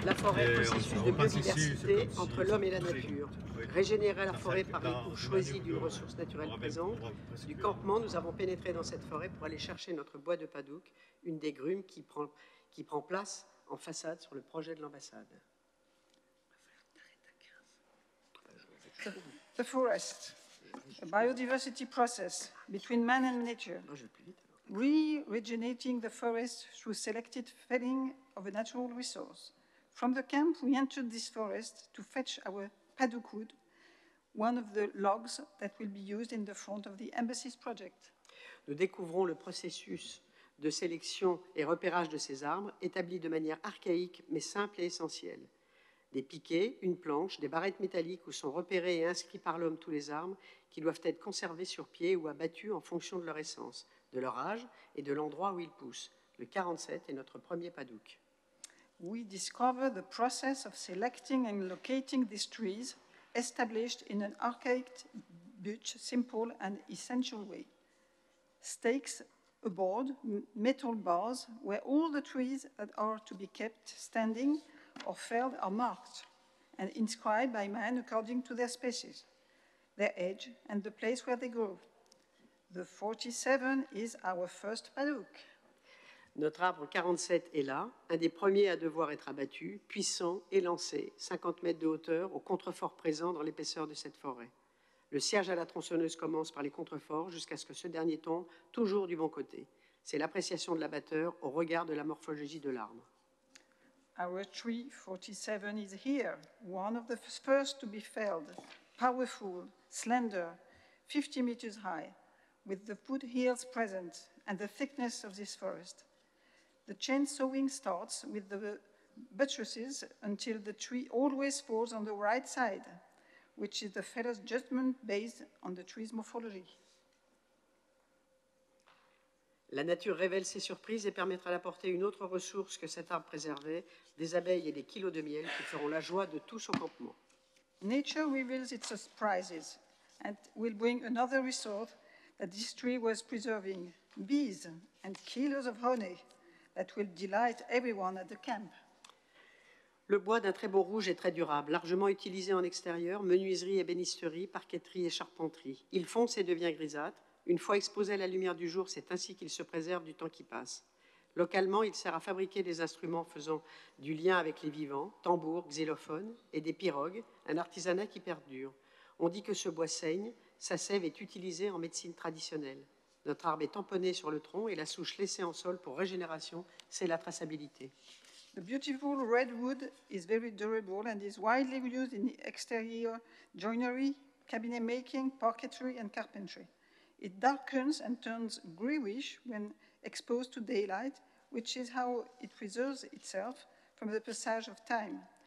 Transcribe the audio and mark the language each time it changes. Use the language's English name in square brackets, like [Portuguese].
[French] La forêt, processus de biodiversité entre l'homme et la nature. Régénérer la forêt par une couche choisie d'une ressource naturelle présente. Du campement, nous avons pénétré dans cette forêt pour aller chercher notre bois de padouk, une des grumes qui prend place en façade sur le projet de l'ambassade. [English] The forest, a biodiversity process between man and nature, re-regenerating the forest through selected felling of a natural resource. From the camp, we entered this forest to fetch our padouk wood, one of the logs that will be used in the front of the embassy's project. [French] Nous découvrons le processus de sélection et repérage de ces arbres, établi de manière archaïque mais simple et essentielle. Des piquets, une planche, des barrettes métalliques où sont repérés et inscrits par l'homme tous les arbres qui doivent être conservés sur pied ou abattus en fonction de leur essence, de leur âge et de l'endroit où ils poussent. Le 47 est notre premier padouk. [English] We discover the process of selecting and locating these trees established in an archaic but simple and essential way. Stakes a board, metal bars where all the trees that are to be kept standing or felled are marked and inscribed by man according to their species, their age, and the place where they grow. The 47 is our first padouk. [French] Notre arbre 47 est là, un des premiers à devoir être abattu, puissant et lancé, 50 mètres de hauteur, au contrefort présent dans l'épaisseur de cette forêt. Le siège à la tronçonneuse commence par les contreforts jusqu'à ce que ce dernier tombe, toujours du bon côté. C'est l'appréciation de l'abatteur au regard de la morphologie de l'arbre. [English] Our tree 47 is here, one of the first to be felled, powerful, slender, 50 meters high, with the foot heels present and the thickness of this forest. The chainsawing starts with the buttresses until the tree always falls on the right side, which is the feller's judgment based on the tree's morphology. [French] La nature révèle ses surprises et permettra d'apporter une autre ressource que cet arbre préservé, des abeilles et des kilos de miel qui feront la joie de tous au campement. [English] Nature reveals its surprises and will bring another resource that this tree was preserving, bees and kilos of honey that will delight everyone at the camp. [French] Le bois d'un très beau rouge est très durable, largement utilisé en extérieur, menuiserie et bénisterie, parquetterie et charpenterie. Il fonce et devient grisâtre. Une fois exposé à la lumière du jour, c'est ainsi qu'il se préserve du temps qui passe. Localement, il sert à fabriquer des instruments faisant du lien avec les vivants, tambours, xylophones et des pirogues, un artisanat qui perdure. On dit que ce bois saigne, sa sève est utilisée en médecine traditionnelle. Notre arbre est tamponné sur le tronc et la souche laissée en sol pour régénération, c'est la traçabilité. [English] The beautiful redwood is very durable and is widely used in the exterior joinery, cabinet making, parquetry and carpentry. It darkens and turns greyish when exposed to daylight, which is how it preserves itself from the passage of time.